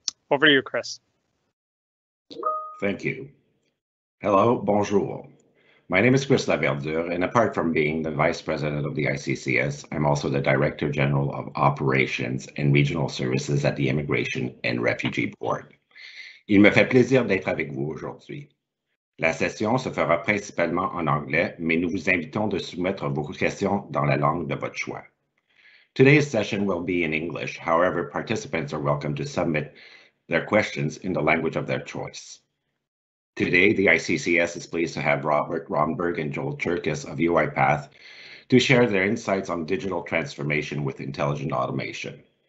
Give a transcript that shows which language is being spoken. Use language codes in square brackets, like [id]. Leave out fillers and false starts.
[en] Over to you, Chris. Thank you. Hello, bonjour. My name is Chris Lavandeur, and apart from being the Vice President of the ICCS, I'm also the Director General of Operations and Regional Services at the Immigration and Refugee Board. [fr] Il me fait plaisir d'être avec vous aujourd'hui. La session se fera principalement en anglais, mais nous vous invitons de soumettre vos questions dans la langue de votre choix. [en] Today's session will be in English. However, participants are welcome to submit their questions in the language of their choice. Today, the ICCS is pleased to have Robert Ronberg and Joel Cherkis of UiPath to share their insights on digital transformation with intelligent automation.